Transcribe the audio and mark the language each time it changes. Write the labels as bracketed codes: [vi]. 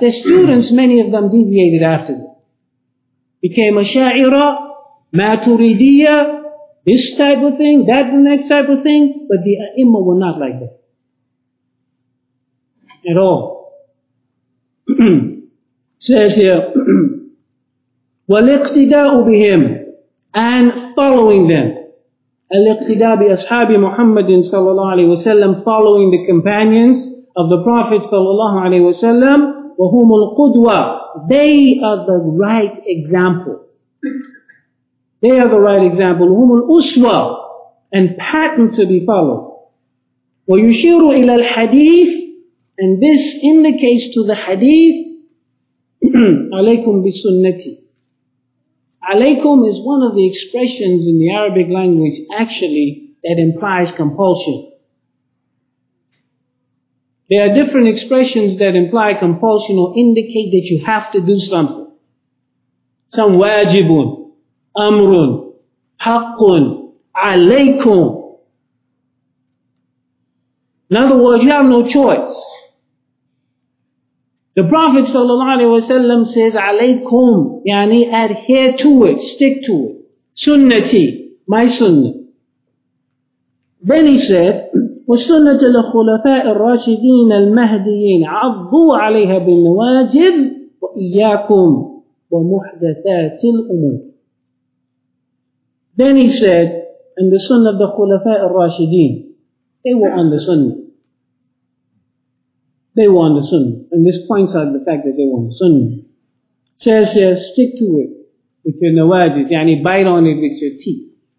[en] Their students, many of them deviated after them. Became a Sha'ira, Maturidiya, this type of thing, that the next type of thing, but the A'imma were not like that. At all. Says here, [ar] وَالِقْتِدَاءُ بِهِمْ [en] and following them. [ar] الْإِقْتِدَاء بِأَصْحَابِ مُحَمَّدٍ صَلَّى اللَّهُ عَلَيْهِ وَسَلَّمْ [en] following the companions of the Prophet [ar] صَلَّى اللَّهُ عَلَيْهِ وَسَلَّمْ وَهُمُ الْقُدْوَةِ. [en] They are the right example. They are the right example. [ar] وَهُمُ الْأُسْوَةِ [en] and pattern to be followed. [ar] وَيُشِيرُ إِلَى الْحَدِيثِ. [en] And this indicates to the hadith, alaykum bi sunnati. Alaykum is one of the expressions in the Arabic language actually that implies compulsion. There are different expressions that imply compulsion or indicate that you have to do something. Some wajibun, amrun, haqqun, alaykum. In other words, you have no choice. The Prophet ﷺ says, alaykum, yani adhere to it, stick to it. Sunnati, my sunnah. Then he said, [ar] وَسُنَّةَ لَخُلَفَاءِ الرَّاشِدِينَ الْمَهْدِيِينَ عَضُّوا عَلَيْهَا بِالنَّوَاجِبِ وَإِيَّاكُمْ وَمُحْدَثَاتِ الْأُمُورِ. [en] Then he said, and the sunnah of the Khulafa'i al-Rashideen, they were on the sunnah. They want the sunnah. And this points out the fact that they want the sunnah. Says here, stick to it with your nawajis, yani bite on it with your teeth.